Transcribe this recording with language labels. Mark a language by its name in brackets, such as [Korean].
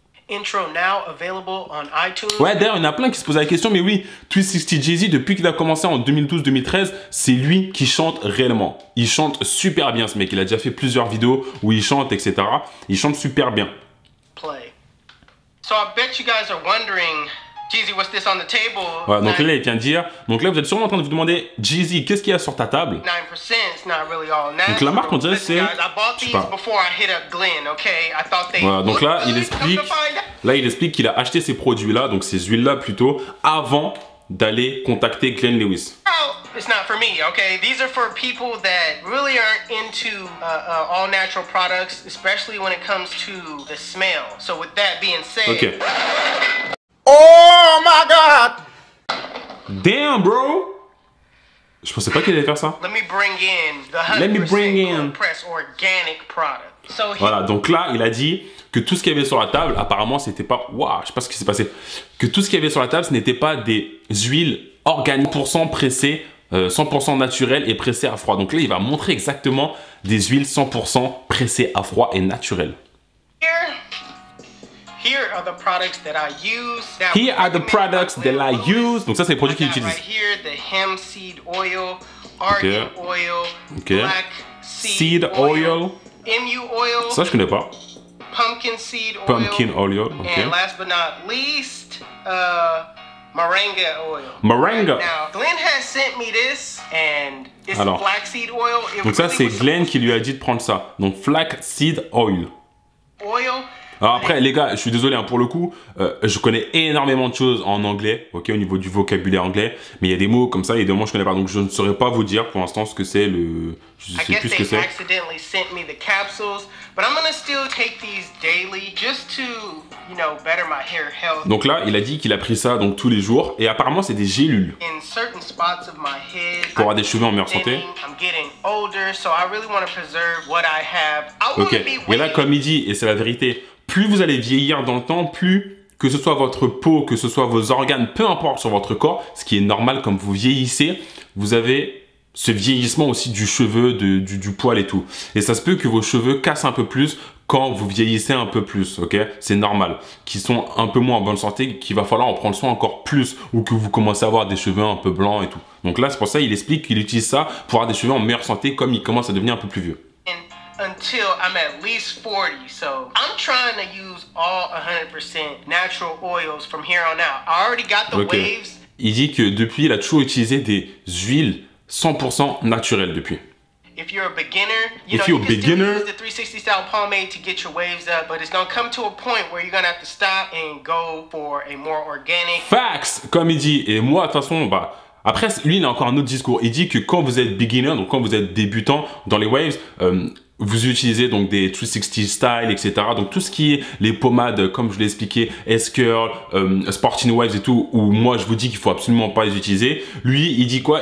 [English] Intro now available on iTunes. [French] Ouais, d'ailleurs, il y en a plein qui se posent la question, mais oui, 360 Jeezy, depuis qu'il a commencé en 2012-2013, c'est lui qui chante réellement. Il chante super bien, ce mec. Il a déjà fait plusieurs vidéos où il chante, etc. Il chante super bien. [English] Play. So I bet you guys are wondering, Jeezy, what's this on the table? [French] Ouais, donc là, il vient de dire. Donc là, vous êtes sûrement en train de vous demander, Jeezy, qu'est-ce qu'il y a sur ta table? [English] 9%, it's not really all natural. [French] Donc la marque, on dirait, c'est. [English] Guys, I bought these before I hit up Glenn, okay? I thought they [French] voilà, donc là, il explique qu'il a acheté ces produits-là, donc ces huiles-là plutôt, avant d'aller contacter Glenn Lewis. [English] Well, it's not for me, okay? These are for people that really aren't into all natural products, especially when it comes to the smell. So with that being said. Okay. Oh my god! Damn, bro! [French] Je pensais pas qu'il allait faire ça. [English] Let me bring in the 100% press organic product. [French] So voilà, donc là, il a dit que tout ce qu'il y avait sur la table, apparemment, c'était pas. Waouh, je sais pas ce qui s'est passé. Que tout ce qu'il y avait sur la table, ce n'était pas des huiles organiques, 100% pressées, 100% naturelles et pressées à froid. Donc là, il va montrer exactement des huiles 100% pressées à froid et naturelles. [English] Here are the products that I use. Here are the products that I use. [French] Donc ça, c'est les produits qu'il utilise. [English] Right here, the hemp seed oil, argan oil, black seed oil, MU oil. [French] Ça, je connais pas. [English] Pumpkin seed oil. Pumpkin oil. Okay. And last but not least, moringa oil. Moringa. Right now, Glenn has sent me this, and it's alors, flax seed oil. [French] It donc ça, really c'est Glenn qui lui a dit de prendre ça. Donc flax seed oil. [English] Oil. [French] Alors après, les gars, je suis désolé, hein, pour le coup, je connais énormément de choses en anglais, ok, au niveau du vocabulaire anglais, mais il y a des mots comme ça, il y a des mots que je connais pas, donc je ne saurais pas vous dire pour l'instant ce que c'est le. Je sais plus ce que c'est. [English] Accidentally sent me the capsules, but I'm gonna still take these daily just to, you know, better my hair health. [French] Donc là, il a dit qu'il a pris ça donc tous les jours, et apparemment, c'est des gélules. [English] In certain spots of my head, [French] pour avoir des cheveux en meilleure santé. [English] I'm getting older, so I really want to preserve what I have. [French] Ok, mais là, comme il dit, et c'est la vérité. Plus vous allez vieillir dans le temps, plus que ce soit votre peau, que ce soit vos organes, peu importe sur votre corps, ce qui est normal comme vous vieillissez, vous avez ce vieillissement aussi du cheveu, du poil et tout. Et ça se peut que vos cheveux cassent un peu plus quand vous vieillissez un peu plus, ok? C'est normal. Qu'ils sont un peu moins en bonne santé, qu'il va falloir en prendre soin encore plus ou que vous commencez à avoir des cheveux un peu blancs et tout. Donc là, c'est pour ça qu'il explique qu'il utilise ça pour avoir des cheveux en meilleure santé comme il commence à devenir un peu plus vieux. [English] until I'm at least 40. So I'm trying to use all 100% natural oils from here on out. I already got the waves. [French] Il dit que depuis, il a toujours utilisé des huiles 100% naturelles depuis. [English] If you're a beginner, you know, you can still use the 360 style pomade to get your waves up, but it's gonna come to a point where you're gonna have to stop and go for a more organic. [French] Facts, comme il dit. Et moi, de toute façon, bah. Après, lui, il a encore un autre discours. Il dit que quand vous êtes beginner, donc quand vous êtes débutant dans les waves, vous utilisez donc des 360 style, etc. Donc tout ce qui est les pommades, comme je l'ai expliqué, S-Curl, Sporting Waves et tout, où moi je vous dis qu'il faut absolument pas les utiliser. Lui, il dit quoi?